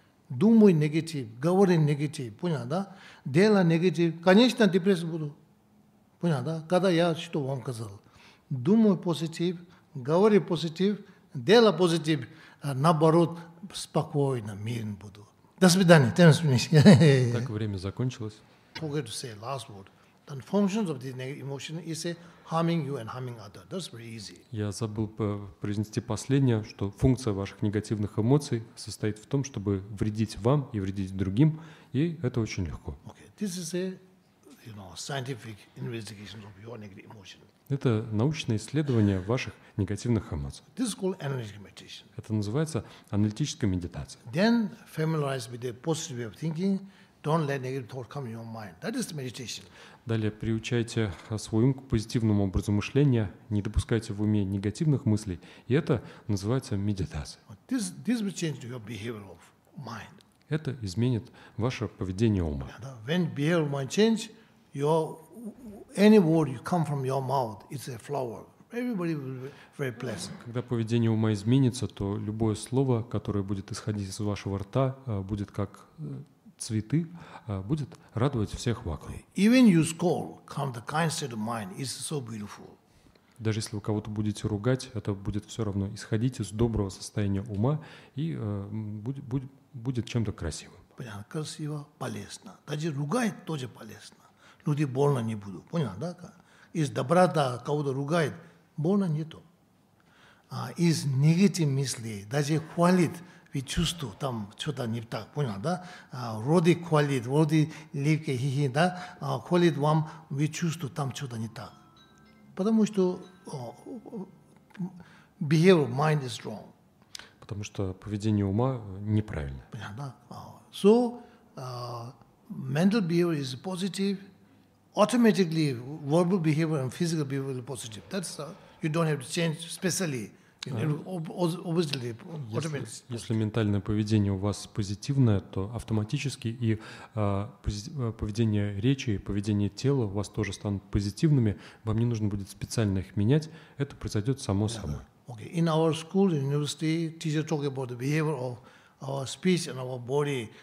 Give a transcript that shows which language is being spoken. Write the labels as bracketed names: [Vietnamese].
[Russian] Думай негатив, говори негатив, понял, да? Делай негатив, конечно, депрессия буду, понял, да? Когда я что вам сказал? Думай позитив, говори позитив, делай позитив, наоборот, спокойно, мирен буду. До свидания, тем свидания. Так время закончилось. [English] Forget to say last word. The functions of this negative emotion is a harming you and harming other. That's very easy. [Russian] Я забыл произнести последнее, что функция ваших негативных эмоций состоит в том, чтобы вредить вам и вредить другим, и это очень легко. [English] Okay. This is a, you know, scientific investigation of your negative emotion. [Russian] Это научное исследование ваших негативных эмоций. [English] This is called analytic meditation. [Russian] Это называется аналитическая медитация. [English] Then familiarize with the positive way of thinking. Don't let negative thoughts come in your mind. That is the meditation. [Russian] Далее приучайте свой ум к позитивному образу мышления, не допускайте в уме негативных мыслей, и это называется медитация. [English] This will change your behavior of mind. [Russian] Это изменит ваше поведение ума. [English] When behavior of mind change, any word you come from your mouth, it's a flower. Everybody will be very pleasant. [Russian] Когда поведение ума изменится, то любое слово, которое будет исходить из вашего рта, будет как цветы будет радовать всех вокруг. [English] Even you scold, come the kind state of mind is so beautiful. [Russian] Даже если вы кого-то будете ругать, это будет все равно исходить из доброго состояния ума и будет чем-то красивым. Понятно, красиво, полезно. Даже ругает, тоже полезно. Люди больно не будут. Понятно, да? Из доброта кого-то ругает, больно не то. А из негативных мыслей, даже хвалит, вы чувствуете, там что-то не так, понял, да? Вроде хвалит, вроде легкие хихи, да? Хвалит вам, вы чувствуете, там что-то не так. Потому что [English] behavior mind is wrong. [Russian] Потому что поведение ума неправильно. Понятно, да? [English] So, mental behavior is positive. Automatically, verbal behavior and physical behavior is positive. That's, you don't have to change specially. [Russian] Если ментальное поведение у вас позитивное, то автоматически и поведение речи, и поведение тела у вас тоже станут позитивными. Вам не нужно будет специально их менять. Это произойдет само собой. [English] Okay. In our school, in university, teacher talk about the behavior of our speech and our body.